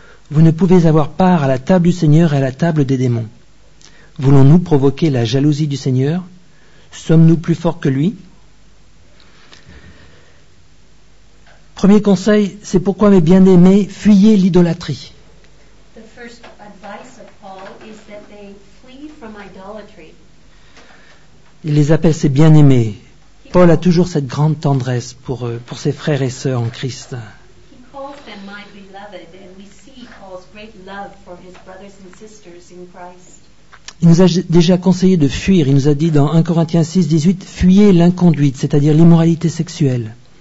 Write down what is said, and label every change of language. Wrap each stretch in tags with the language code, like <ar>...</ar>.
<fr>Vous ne pouvez avoir part à la table du Seigneur et à la table des démons. Voulons-nous provoquer la jalousie du Seigneur? Sommes-nous plus forts que lui? Premier conseil, c'est pourquoi, mes bien-aimés, fuyez l'idolâtrie.</fr> <en>The first advice of Paul is that they flee from idolatry.</en> <fr>Il les appelle ses bien-aimés. Paul a toujours cette grande tendresse pour ses frères et sœurs en Christ.</fr> <en>He calls them my beloved, and we see Paul's great love for his brothers and sisters in Christ.</en> <fr>Il nous a déjà conseillé de fuir. Il nous a dit dans 1 Corinthiens 6, 18, fuyez l'inconduite, c'est-à-dire l'immoralité sexuelle.</fr>